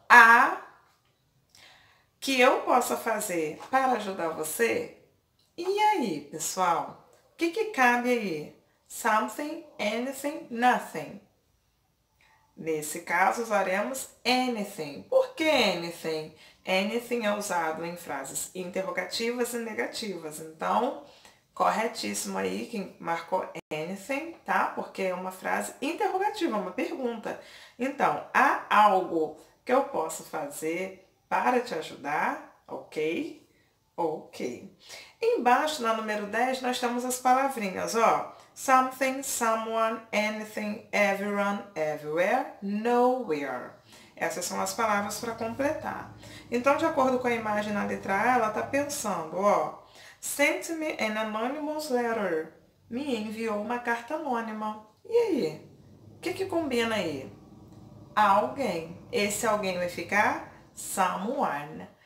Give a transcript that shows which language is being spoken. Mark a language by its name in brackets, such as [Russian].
[Portuguese] Há que eu possa fazer para ajudar você? E aí, pessoal? O que que cabe aí? [English] Something, anything, nothing. [Portuguese] Nesse caso, usaremos anything. Por que anything? Anything é usado em frases interrogativas e negativas. Então, corretíssimo aí quem marcou anything, tá? Porque é uma frase interrogativa, uma pergunta. Então, há algo que eu posso fazer para te ajudar? Ok? Ok. Embaixo, na número 10, nós temos as palavrinhas, ó. [English] Something, someone, anything, everyone, everywhere, nowhere. [Portuguese] Essas são as palavras para completar. Então, de acordo com a imagem na letra A, ela está pensando, ó. [English] Sent me an anonymous letter. [Portuguese] Me enviou uma carta anônima. E aí? O que que combina aí? Alguém. Esse alguém vai ficar someone.